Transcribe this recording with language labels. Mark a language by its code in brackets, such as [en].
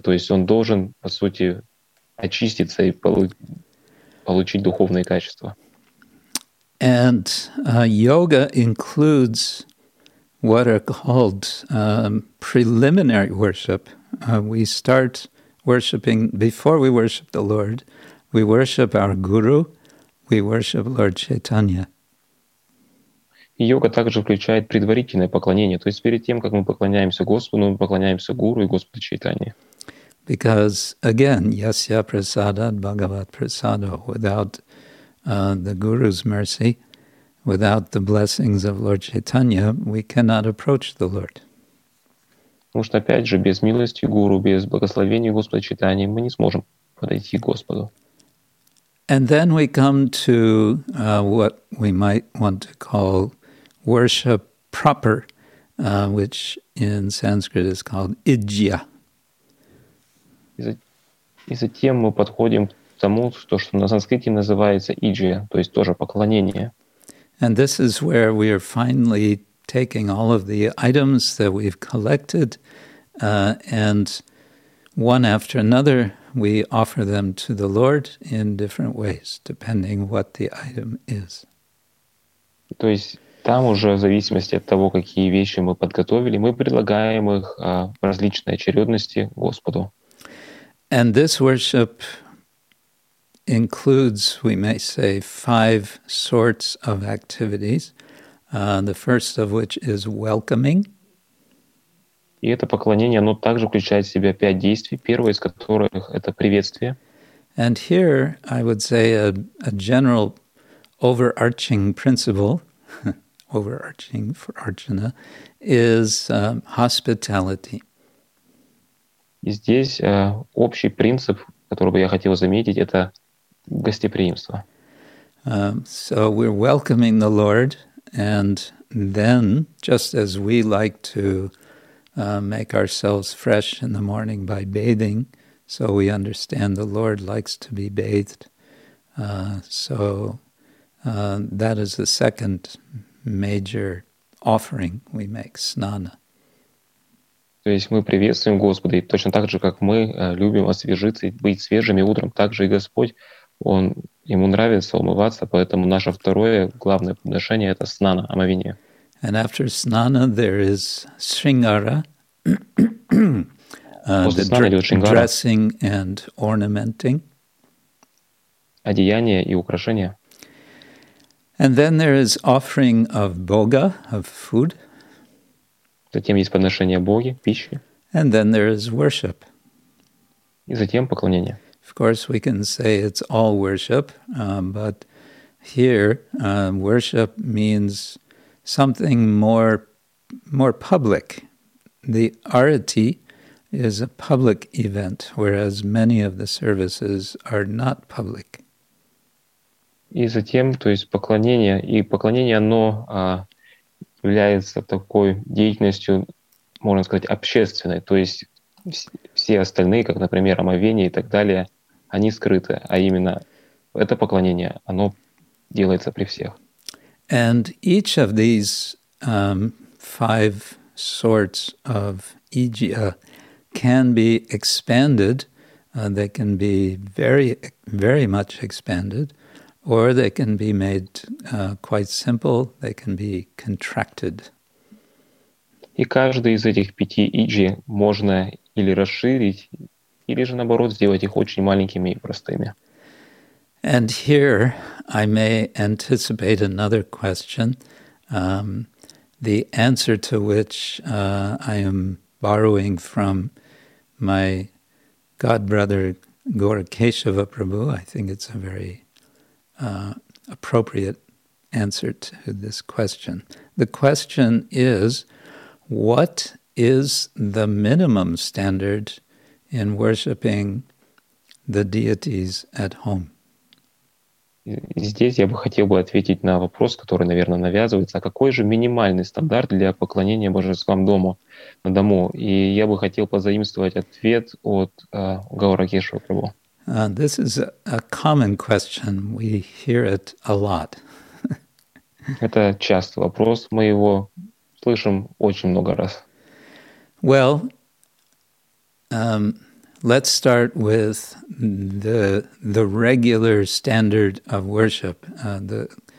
[ru] То есть он должен, по сути, очиститься и получить духовные качества. [en] And yoga includes what are called preliminary worship. We start worshiping before we worship the Lord. We worship our guru. We worship Lord Chaitanya. [ru] Йога также включает предварительное поклонение. То есть перед тем, как мы поклоняемся Господу, мы поклоняемся Гуру и Господу Чайтанье. [en] Because, again, [sa] yasya prasadat bhagavat prasado. [en] Without the Guru's mercy, without the blessings of Lord Chaitanya, we cannot approach the Lord. [ru] Потому что, опять же, без милости Гуру, без благословения Господа Чайтанье, мы не сможем подойти к Господу. [en] And then we come to what we might want to call worship proper, which in Sanskrit is called idhya. [ru] И затем мы подходим к тому, что на санскрите называется идхья, то есть тоже поклонение. [en] And this is where we are finally taking all of the items that we've collected, and one after another, we offer them to the Lord in different ways, depending what the item is. [ru] То есть там уже в зависимости от того, какие вещи мы подготовили, мы предлагаем их в различной очередности Господу. [en] And this worship includes, we may say, five sorts of activities, the first of which is welcoming. [ru] И это поклонение, оно также включает в себя пять действий, первое из которых — это приветствие. [en] And here I would say a general overarching principle, overarching for Arjuna, is hospitality. [ru] И здесь общий принцип, который бы я хотел заметить, это гостеприимство. [en] So we're welcoming the Lord, and then, just as we like to make ourselves fresh in the morning by bathing, so we understand the Lord likes to be bathed. So that is the second major offering we make, snana. [ru] То есть мы приветствуем Господа, и точно так же, как мы любим освежиться и быть свежими утром, так же и Господь, Он, Ему нравится умываться, поэтому наше второе главное подношение — это снана, омовение. [en] And after snana there is shringara, the dressing and ornamenting. [ru] Одеяние и украшения. [en] And then there is offering of boga, of food. [ru] Затем есть подношение Боге, пищи. [en] And then there is worship. [ru] И затем поклонение. [en] Of course, we can say it's all worship, but here worship means something more public. The arati is a public event, whereas many of the services are not public. [ru] И затем, то есть поклонение, и поклонение, оно является такой деятельностью, можно сказать, общественной. То есть все остальные, как, например, омовение и так далее, они скрыты. А именно это поклонение, оно делается при всех. [en] And each of these five sorts of idhya can be expanded. They can be very, very much expanded. Or they can be made quite simple, they can be contracted. [ru] И каждый из этих пяти иджи можно или расширить, или же наоборот сделать их очень маленькими и простыми. [en] And here I may anticipate another question, the answer to which I am borrowing from my godbrother Gaura Keshava Prabhu. I think it's a very appropriate answer to this question. The question is, what is the minimum standard in worshiping the deities at home? [ru] Здесь я бы хотел бы ответить на вопрос, который, наверное, навязывается. А какой же минимальный стандарт для поклонения божествам дому, на дому? И я бы хотел позаимствовать ответ от Гаура Кешава Прабху. [en] This is a common question. We hear it a lot. [ru] Это частый вопрос. Мы его слышим очень много раз. [en] Well, let's start with the regular standard of worship, the